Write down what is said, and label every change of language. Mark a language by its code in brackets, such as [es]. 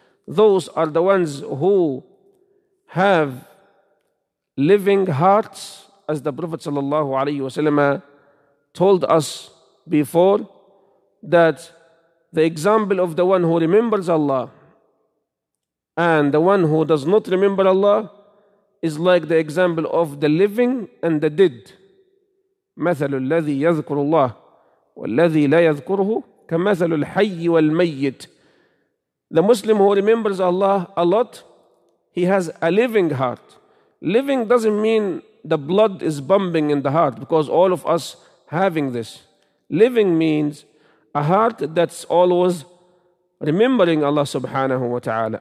[en] those are the ones who have living hearts, as the Prophet sallallahu alaihi wasallam told us before, that the example of the one who remembers Allah and the one who does not remember Allah is like the example of the living and the dead. [ar] مثل الذي يذكر الله والذي لا يذكره كمثل الحي والميت. [en] The Muslim who remembers Allah a lot, he has a living heart. Living doesn't mean the blood is pumping in the heart, because all of us having this. Living means a heart that's always remembering Allah subhanahu wa ta'ala.